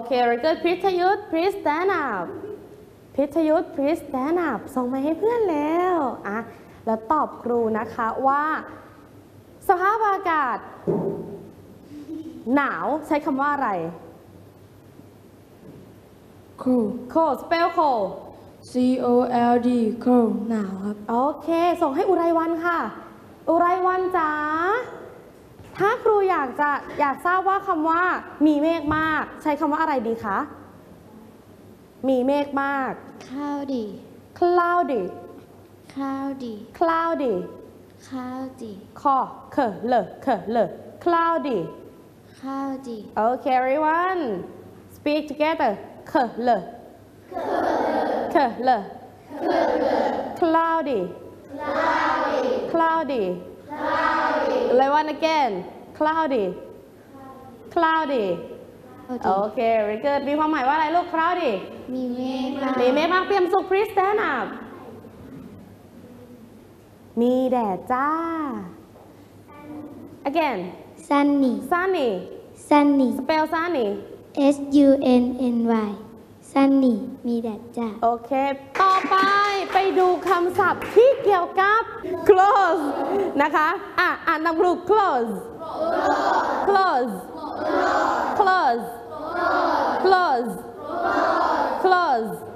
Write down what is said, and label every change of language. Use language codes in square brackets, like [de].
[en] record please [th] ยุทธ [en] please stand up [th] พิทยุทธ please stand up ส่งมาให้เพื่อนแล้วอ่ะแล้วตอบครูนะคะว่าสภาพอากาศหนาวใช้คำว่าอะไร [en] cold cold spell cold c o l d cold [th] หนาวครับโอเคส่งให้อุไรวันค่ะอุไรวันจ๋าถ้าครูอยากจะอยากทราบว่าคำว่ามีเมฆมากใช้คำว่าอะไรดีคะมีเมฆมาก [en] cloudy cloudy cloudy cloudy cloudy [th] คอเคอเลอเคอเลอ cloudy [en] cloudy okay everyone speak together [th] เคอเล อ เคอเลอ เคอเลอ [en] cloudy cloudy cloudy cloudy one again cloudy cloudy okay very good [th] มีความหมายว่าอะไรลูก cloudy มีเมฆมาก มีเมฆมากเตรียมสุขพรีสแตนด์อัพมีแดดจ้า again [en] sunny sunny sunny spell sunny s u n n y sunny [th] มีแดดจ้า โอเคต่อไปไปดูคำศัพท์ที่เกี่ยวกับ close นะคะอ่ะอ่านตามครู [en] close close close close close